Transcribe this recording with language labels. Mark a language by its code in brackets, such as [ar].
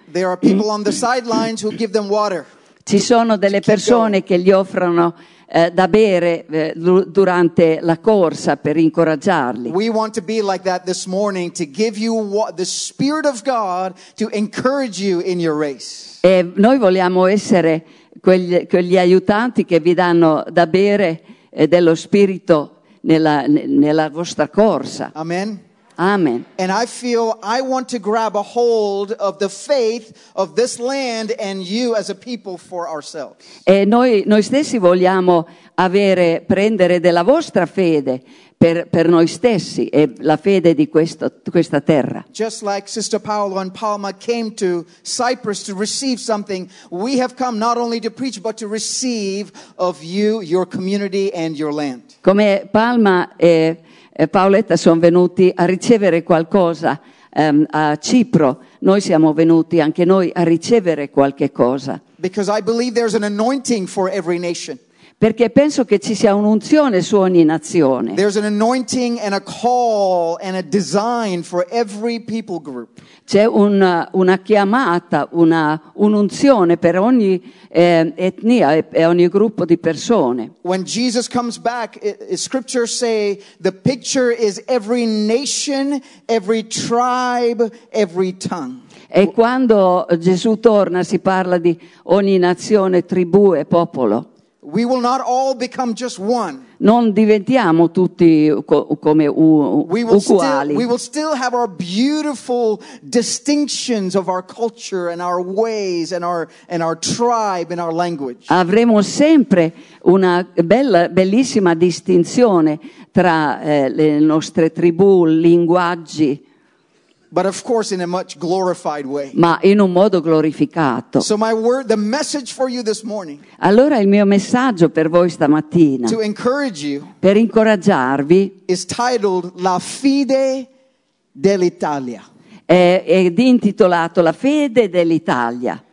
[en] There are people on the sidelines who give them water. [it] Ci sono delle persone che gli offrono da bere durante la corsa per incoraggiarli. [en] We want to be like that this morning to give you the Spirit of God to encourage you in your race. [it] E noi vogliamo essere quegli aiutanti che vi danno da bere dello Spirito nella vostra corsa. [en] Amen. [it] Amen. [en] And I feel I want to grab a hold of the faith of this land and you as a people for ourselves. [it] E noi stessi vogliamo prendere della vostra fede per noi stessi e la fede di questa terra. [en] Just like Sister Paolo and Palma came to Cyprus to receive something, we have come not only to preach but to receive of you, your community and your land. [it] Come Palma e Paoletta sono venuti a ricevere qualcosa a Cipro. Noi siamo venuti anche noi a ricevere qualche cosa. [en] Because I believe there's an anointing for every nation. [it] Perché penso che ci sia un'unzione su ogni nazione. [en] There's an anointing and a call and a design for every people group. [it] C'è una chiamata, un'unzione per ogni etnia e ogni gruppo di persone. [en] When Jesus comes back, scriptures say the picture is every nation, every tribe, every tongue. [it] E quando Gesù torna si parla di ogni nazione, tribù e popolo. [en] We will not all become just one. [it] Non diventiamo tutti come uguali. [en] We will still have our beautiful distinctions of our culture and our ways and our tribe and our language. [it] Avremo sempre una bella bellissima distinzione tra le nostre tribù, linguaggi. [en] But of course in a much glorified way. [it] Ma in un modo glorificato. [en] So my word, the message for you this morning. [it] Allora il mio messaggio per voi stamattina. [en] To encourage you. [it] Per incoraggiarvi. [en] Is titled [it] La fede dell'Italia. Ed intitolato La fede dell'Italia.